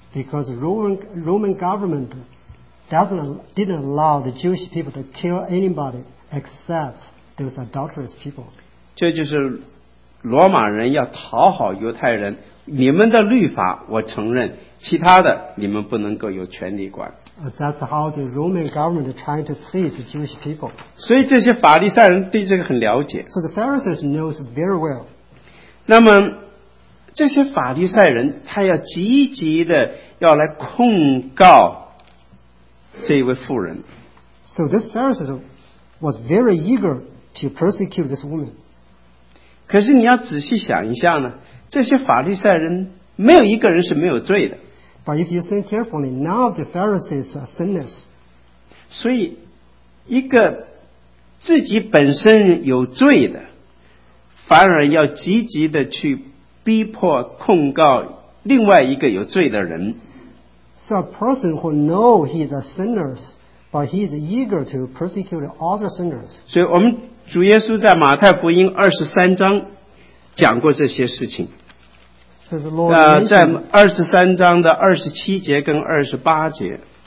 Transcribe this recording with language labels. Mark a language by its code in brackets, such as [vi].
[en] Because Roman government didn't allow the Jewish people to kill anybody except those adulterous people. [zh] 这就是罗马人要讨好犹太人，你们的律法我承认，其他的你们不能够有权利管。 [en] That's how the Roman government tried to please the Jewish people. [zh] 所以这些法利赛人对这个很了解。 [en] So the Pharisees know very well. [zh] 那么这些法利赛人他要积极的要来控告这一位妇人。 [en] So this Pharisee was very eager to persecute this woman. [zh] 可是你要仔细想一下呢，这些法利赛人没有一个人是没有罪的。 [en] But if you think carefully, none of the Pharisees are sinners. [zh] 所以一个自己本身有罪的，反而要积极的去逼迫控告另外一个有罪的人。 [en] So a person who know he's a sinner, but he's eager to persecute other sinners. [zh] 所以我们主耶稣在马太福音二十三章讲过这些事情。在二十三章的二十七节跟二十八节。